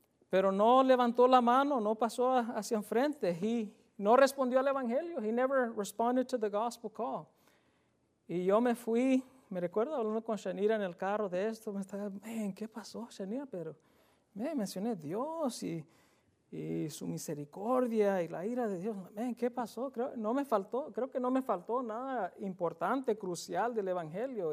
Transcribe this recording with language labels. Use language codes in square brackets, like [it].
[es] Pero no levantó la mano, no pasó hacia enfrente. He no respondió al evangelio. [en] He never responded to the gospel call. [es] Y yo me fui. Me recuerdo hablando con Shanira en el carro de esto. Me estaba, man, ¿qué pasó, Shanira? Pero me mencioné Dios y su misericordia y la ira de Dios. Man, ¿qué pasó? Creo que no me faltó nada importante, crucial del evangelio.